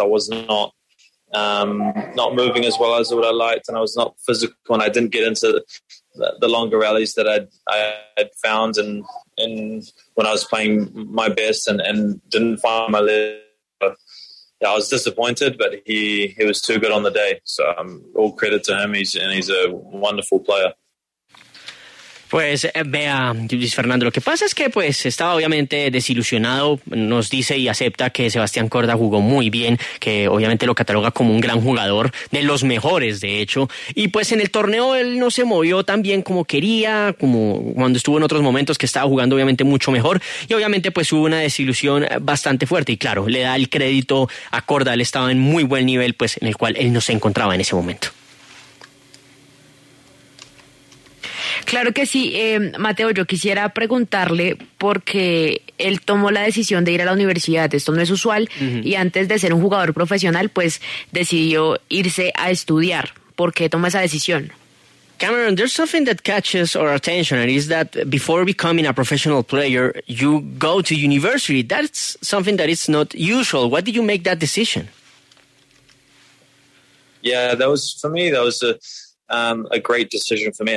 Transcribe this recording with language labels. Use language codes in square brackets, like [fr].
[en] I was not moving as well as what I liked, and I was not physical, and I didn't get into the longer rallies that I had found and when I was playing my best and didn't find my lead. I was disappointed, but he was too good on the day. So all credit to him. He's a wonderful player. [es] Pues vea, Luis Fernando, lo que pasa es que pues estaba obviamente desilusionado, nos dice y acepta que Sebastián Korda jugó muy bien, que obviamente lo cataloga como un gran jugador, de los mejores de hecho, y pues en el torneo él no se movió tan bien como quería, como cuando estuvo en otros momentos que estaba jugando obviamente mucho mejor, y obviamente pues hubo una desilusión bastante fuerte, y claro, le da el crédito a Korda, él estaba en muy buen nivel pues en el cual él no se encontraba en ese momento. Claro que sí, Mateo, yo quisiera preguntarle porque él tomó la decisión de ir a la universidad, esto no es usual, uh-huh. Y antes de ser un jugador profesional, pues decidió irse a estudiar. ¿Por qué tomó esa decisión? [en] Cameron, there's something that catches our attention, and it's that before becoming a professional player, you go to university. That's something that is not usual. What did you make that decision? Yeah, that was a great decision for me.